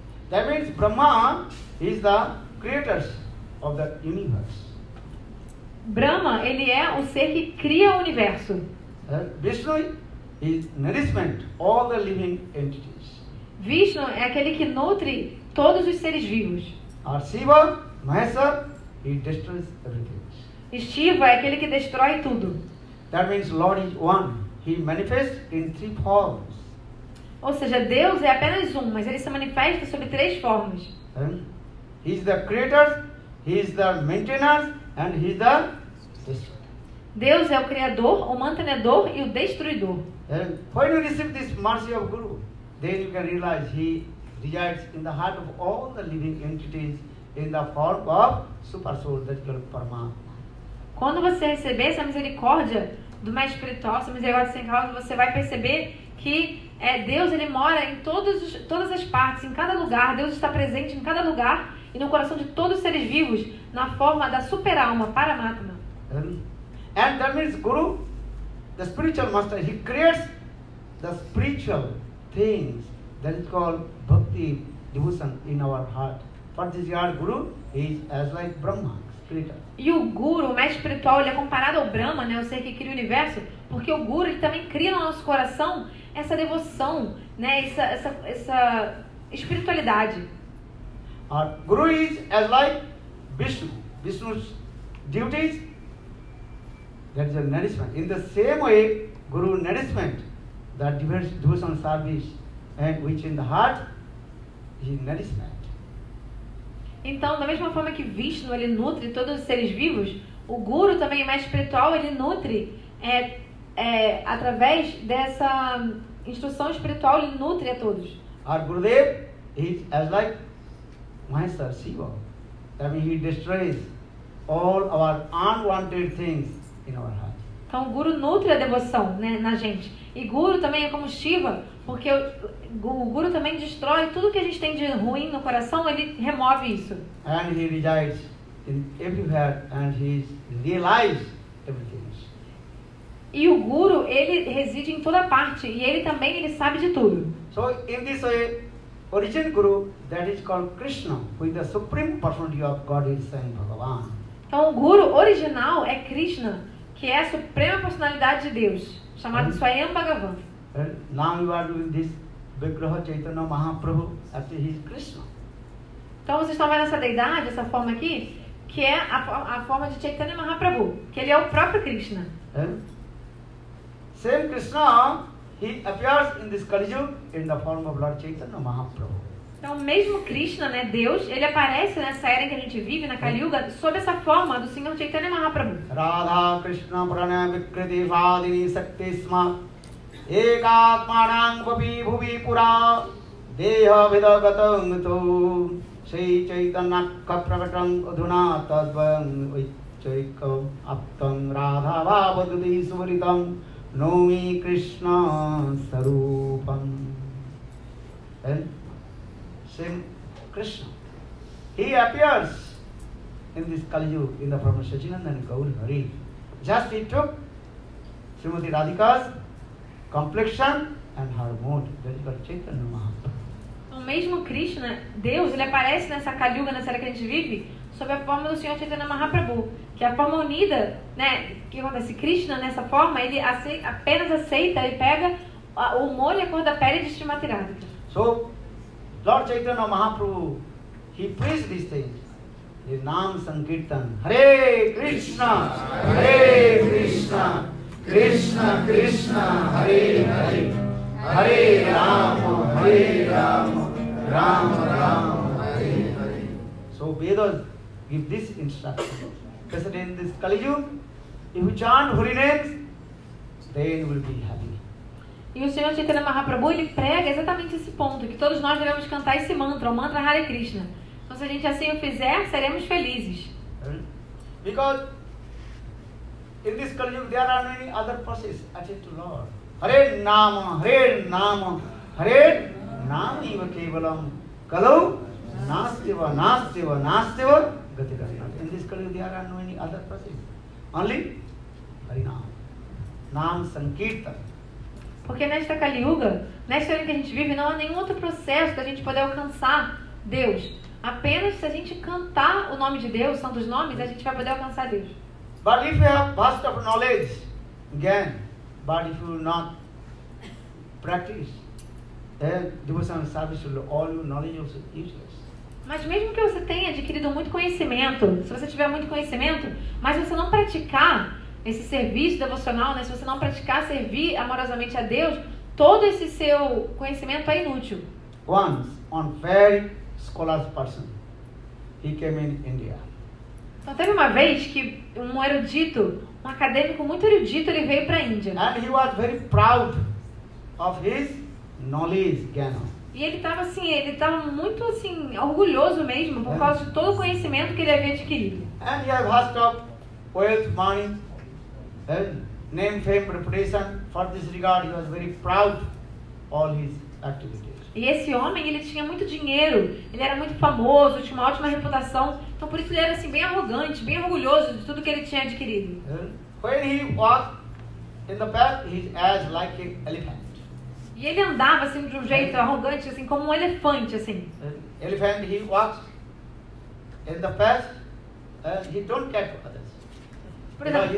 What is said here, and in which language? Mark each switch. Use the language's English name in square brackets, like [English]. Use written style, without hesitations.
[English] That means Brahma is the creator of the universe. [Portuguese] Brahma, ele é o ser que cria o universo. [English] Vishnu is nourishment all the living entities. [Portuguese] Vishnu é aquele que nutre todos os seres vivos. [English] Or Shiva, Mahesara, he destroys everything. [Portuguese] Shiva é aquele que destrói tudo. [English] That means Lord is one. He manifests in three forms. [Portuguese] Ou seja, Deus é apenas um, mas ele se manifesta sob três formas. [English] He is the creator, he is the maintainer, and he is the destroyer. [Portuguese] Deus é o criador, o mantenedor e o destruidor. [English] When you receive this mercy of Guru, then you can realize he resides in the heart of all the living entities in the form of super soul, that is called Paramatma. [Portuguese] Quando você receber essa misericórdia do mestre espiritual, essa misericórdia sem causa, você vai perceber que Deus, ele mora em todas as partes, em cada lugar. Deus está presente em cada lugar e no coração de todos os seres vivos, na forma da super-alma, Paramatma. [English] And that means Guru, the spiritual master, he creates the spiritual things that is called bhakti, devotion in our heart. For this year, Guru is as like Brahma. [Portuguese] E o Guru, o mestre espiritual, ele é comparado ao Brahma, né, o ser que cria o universo, porque o Guru, ele também cria no nosso coração essa devoção, né, essa espiritualidade. [English] Guru is as like Vishnu. Vishnu's duties, that is a nourishment. In the same way, Guru nourishment, that devotion service, and which in the heart, he nourishment. [Portuguese] Então, da mesma forma que Vishnu, ele nutre todos os seres vivos, o Guru também, o mestre espiritual, ele nutre através dessa instrução espiritual, ele nutre a todos. [English] Our Gurudev is as like Mahesara Shiva. That means he destroys all our unwanted things in our heart. [Portuguese] Então, o Guru nutre a devoção, né, na gente. E Guru também é como Shiva, porque o Guru também destrói tudo que a gente tem de ruim no coração, ele remove isso. [English] And he resides in everywhere and he realizes everything. [Portuguese] E o Guru, ele reside em toda parte e ele também, ele sabe de tudo. [English] So in this way, origin Guru, that is called Krishna, who is the supreme personality of God, is saying Bhagavan. [Portuguese] Então o Guru original é Krishna, que é a suprema personalidade de Deus, chamado Swayam Bhagavan. [English] Now you are doing this Vigraha Chaitanya Mahaprabhu, after he is Krishna. [Portuguese] Então vocês estão vendo essa deidade, essa forma aqui, que é a forma de Chaitanya Mahaprabhu, que ele é o próprio Krishna. [English] Same Krishna, he appears in this Kali Yuga in the form of Lord Chaitanya Mahaprabhu. [Portuguese] Então mesmo Krishna, né, Deus, ele aparece nessa era em que a gente vive, na Kali Yuga, sob essa forma do Senhor Chaitanya Mahaprabhu. [Sanskrit] Radha Krishna Pranaya Vikriti Vadini Sakti Sma Ekatmanam Bhavi Bhuvi Pura Deha Vidagatam Tu Sri Chaitanya Kapravatam Adhuna Tadvayam Vichaikam Aptam Radha Vabadudhi Suvaritam Nomi Krishna Sarupam. [English] Same Krishna, he appears in this Kali Yuga in the form of Sachinanda and Gaur Hari. Just he took Srimati Radhika's complexion and her mood. That is called Chaitanya Mahaprabhu. [Portuguese] O mesmo Krishna, Deus, ele aparece nessa Kali Yuga, nessa era que a gente vive, sobre a forma do Senhor Chaitanya Mahaprabhu, que é a forma unida, né? Que acontece Krishna nessa forma, ele apenas aceita e pega o molho e a cor da pele de Srimati Radhika. [English] So, Lord Chaitanya Mahaprabhu, he preaches these things. His name Sankirtan. Hare Krishna! [Sanskrit] Hare Krishna! Krishna Krishna Hare Hare! Hare Rama! Hare Rama! Rama Rama! Hare Hare! [English] So Vedas give this instruction. Because in this Kali Yuga, if you chant Hari names, then you will be happy. [Portuguese] E o Senhor Chaitanya Mahaprabhu, ele prega exatamente esse ponto, que todos nós devemos cantar esse mantra, o mantra Hare Krishna. Então, se a gente assim o fizer, seremos felizes. [English] Because in this Kali Yuga there are many other forces attached to Lord. [Sanskrit] Hare Nama, Hare Nama, Hare Nama Iva Kevalam. Kalau Nastiva, Nastiva, Nastiva, Gati Gati. [English] In this Kali Yuga there are many other forces. Only Hare Nama. Nama Sankirtan. [Portuguese] Porque nesta Kali Yuga, nesta era em que a gente vive, não há nenhum outro processo para a gente poder alcançar Deus. Apenas se a gente cantar o nome de Deus, santos nomes, a gente vai poder alcançar Deus. [English] But if you have vast of knowledge, again, but if you not practice, then devotional service will all your knowledge is useless. [Portuguese] Mas mesmo que você tenha adquirido muito conhecimento, se você tiver muito conhecimento, mas você não praticar esse serviço devocional, né? Se você não praticar servir amorosamente a Deus, todo esse seu conhecimento é inútil. [English] Once, one very scholar's person, he came in India. [Portuguese] Então teve uma vez que um erudito, um acadêmico muito erudito, ele veio para a Índia. [English] And he was very proud of his knowledge, Gana. [Portuguese] E ele estava muito assim, orgulhoso mesmo, por causa de todo o conhecimento que ele havia adquirido. [English] And he had vast of wealth, money, name, fame, reputation. For this regard, he was very proud of all his activities. [Portuguese] E esse homem, ele tinha muito dinheiro, ele era muito famoso, tinha uma ótima reputação. Então, por isso ele era assim, bem arrogante, bem orgulhoso de tudo que ele tinha adquirido. [English] When he walked in the path, he acted like an elephant. [Portuguese] E ele andava assim de um jeito arrogante, assim como um elefante, assim. [English] Elephant, he walked in the path, he don't care for others.